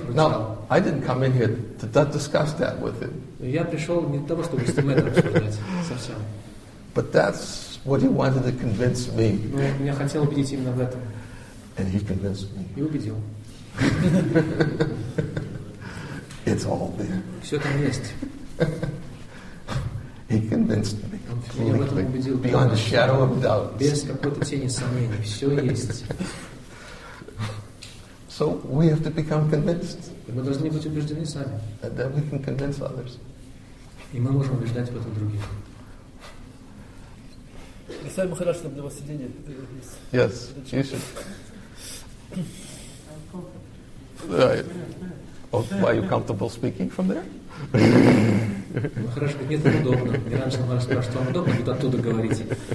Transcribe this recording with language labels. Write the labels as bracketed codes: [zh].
[en] No, I didn't come in here to discuss that with him. [ru] Я пришел не для того, чтобы с ним это обсуждать совсем. [en] But that's what he wanted to convince me. [ru] Меня хотел убедить именно в этом. [en] And he convinced me. [ru] И убедил. [en] It's all there. [ru] Все там есть. [en] He convinced me. [ru] Меня в этом убедил. [en] Beyond a shadow of doubt. [ru] Без какой-то тени сомнений. Все есть. [en] So we have to become convinced. [ru] И мы должны быть убеждены сами. [en] And then we can convince others. [ru] И мы можем убеждать в этом других. Представим Махарадж, чтобы для вас сиденье. [en] Yes, you should. Right. Oh, why are you comfortable speaking from there? [ru] Махарадж, нет, неудобно. Мне раньше Махарадж сказал, что вам удобно, будто оттуда говорите.